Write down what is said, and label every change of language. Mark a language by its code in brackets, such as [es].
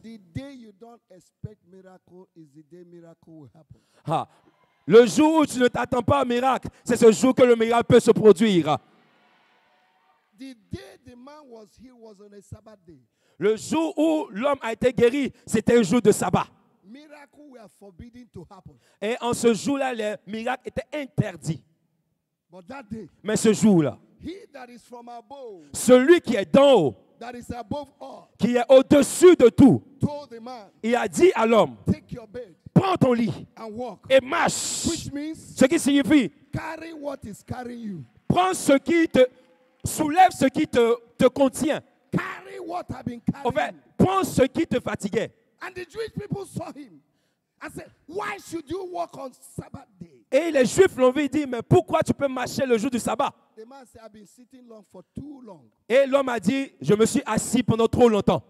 [en] The day you don't expect miracle is the day miracle will happen. Ha. [fr] Le jour où tu ne t'attends pas à miracle, c'est ce jour que le miracle peut se produire. [en] The day the man was healed was on a Sabbath day. [fr] Le jour où l'homme a été guéri, c'était un jour de sabbat. [en] Miracles were forbidden to happen. [fr] Et en ce jour-là, les miracles étaient interdits. [en] But that day, [fr] mais ce jour-là, [en] he that is from above, [fr] celui qui est d'en haut, [en] that is above all, [fr] qui est au-dessus de tout, [en] told the man, [fr] il a dit à l'homme, [en] take your bed, [fr] prends ton lit [en] and walk, [fr] et marche. [en] Which means, [fr] ce qui signifie, [en] carry what is carrying you. [fr] Prends ce qui te soulève ce qui te contient. [en] carry what I've been carrying. [fr] En fait, prends ce qui te fatiguait. [en] And the Jewish people saw him and said, why should you walk on Sabbath day? [fr] Et les Juifs l'ont vu, ils disent, mais pourquoi tu peux marcher le jour du sabbat? [en] The man said, I've been sitting long for too long. [fr] Et l'homme a dit, je me suis assis pendant trop longtemps.